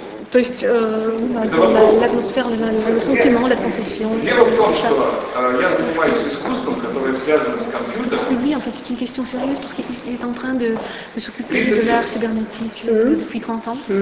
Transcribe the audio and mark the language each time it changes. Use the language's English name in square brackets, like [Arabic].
[Russian] То есть атмосфера, [French] le sentiment, la sensation. [Russian] Я занимаюсь искусством, которое связано с компьютером. [French] Oui, en fait, c'est une question sérieuse parce qu'il est en train de s'occuper de l'art cybernétique depuis 30 ans.